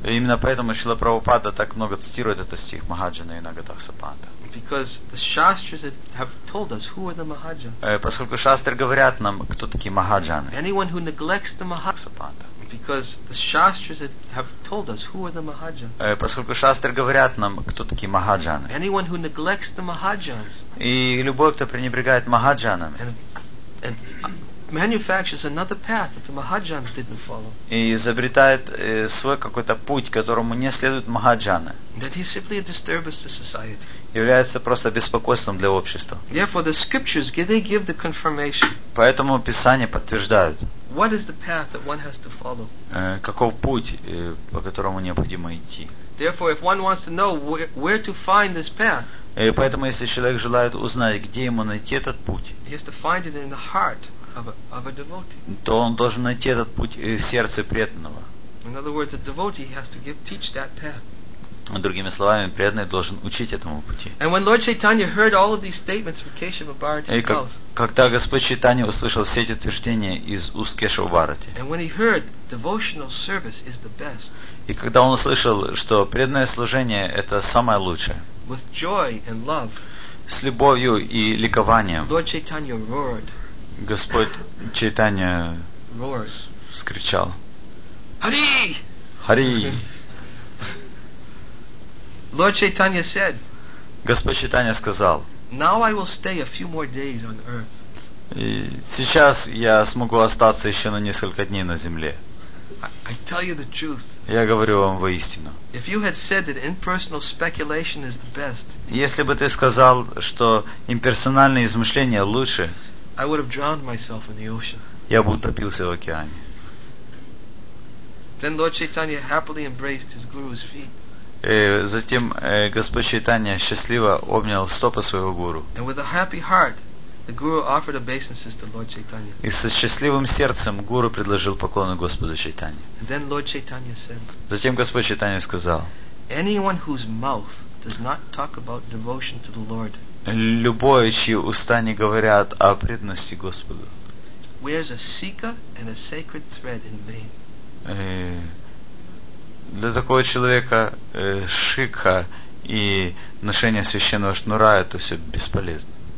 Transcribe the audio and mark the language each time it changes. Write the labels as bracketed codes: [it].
[ru] Именно поэтому Шрила Прабхупада так много цитирует этот стих Махаджана и Нагатах Сапанта. [en] Because the shastras have told us who are the Mahajans. [ru] Поскольку шастры говорят нам, кто такие Махаджаны. [en] Anyone who neglects the Mahajana. Because the shastras have told us who are the Mahajans. [ru] Поскольку шастры говорят нам, кто такие Махаджаны. [en] Anyone who neglects the Mahajans. [ru] И любой, кто пренебрегает Махаджанами. [en] Manufactures another path that the Mahajans didn't follow. [ru] И изобретает свой какой-то путь, которому не следуют Махаджаны. [en] That he simply disturbs the society. [ru] Является просто беспокойством для общества. [en] Therefore, the scriptures give the confirmation. [ru] Поэтому Писание подтверждает. [en] What is the path that one has to follow? [ru] Каков путь, по которому необходимо идти? [en] Therefore, if one wants to know where to find this path. [ru] И поэтому, если человек желает узнать, где ему найти этот путь. [en] He has to find it in the heart. Of a devotee. [ru] То он должен найти этот путь в сердце преданного. [en] In other words, a devotee has to teach that path. [ru] Другими словами, преданный должен учить этому пути. [en] And when Lord Chaitanya heard all of these statements from Keshava Bharati himself. [ru] Когда Господь Чайтанья услышал все эти утверждения из уст Кешава Бхарати. [en] And when he heard devotional service is the best. [ru] И когда он услышал, что преданное служение это самое лучшее. [en] With joy and love. [ru] С любовью и ликованием. [en] Lord Chaitanya roared. [ru] Господь Чайтанья вскричал. [sa] Hari! Hari! [en] Lord Chaitanya said. [ru] Господь Чайтанья сказал. [en] Now I will stay a few more days on earth. [ru] Сейчас я смогу остаться еще на несколько дней на земле. [en] I tell you the truth. [ru] Я говорю вам воистину. [en] If you had said that impersonal speculation is the best. [ru] Если бы ты сказал, что имперсональные измышления лучше. [en] I would have drowned myself in the ocean. [ru] Я бы утопился в океане. [en] Then Lord Chaitanya happily embraced his guru's feet. [ru] Затем Господь Чайтанья счастливо обнял стопы своего гуру. [en] And with a happy heart, the guru offered obeisances to Lord Chaitanya. [ru] И со счастливым сердцем гуру предложил поклоны Господу Чайтанье. [en] And then Lord Chaitanya said. [ru] Затем Господь Чайтанья сказал. [en] Anyone whose mouth does not talk about devotion to the Lord. [ru] Любой, чьи уста не говорят о преданности Господу. [en] Wears a sika and a sacred thread in vain. [ru] Для такого человека шикха и ношение священного шнура это все бесполезно.